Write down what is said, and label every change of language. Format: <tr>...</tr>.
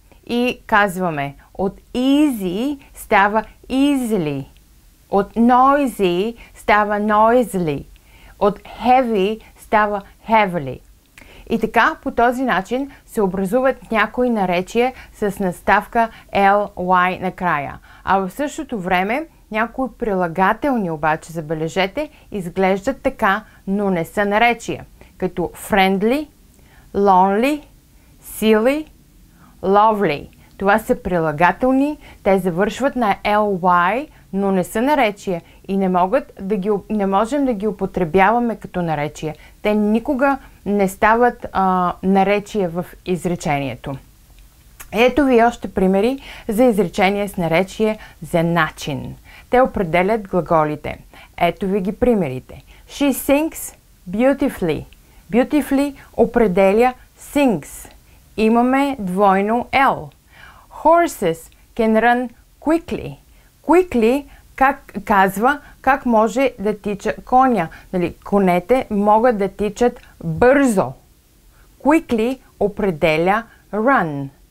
<bg>И казваме, от easy става easily, от noisy става noisily, от heavy става heavily. И така, по този начин се образуват някои наречия с наставка ly накрая. А в същото време, някои прилагателни обаче, забележете, изглеждат така, но не са наречия.</bg> <en>като friendly, lonely, silly, lovely.</en> <bg>Това са прилагателни, те завършват на ly, но не са наречия и не можем да ги употребяваме като наречия. Те никога не стават наречия в изречението. Ето ви още примери за изречение с наречие за начин. Те определят глаголите. Ето ви ги примерите.</bg> <en>She sings beautifully.</en> <bg>Beautifully определя sings. Имаме двойно L.</bg> <en>Horses can run quickly.</en> <bg>Quickly как казва как може да тича коня. Нали, конете могат да тичат бързо. Quickly определя run.</bg>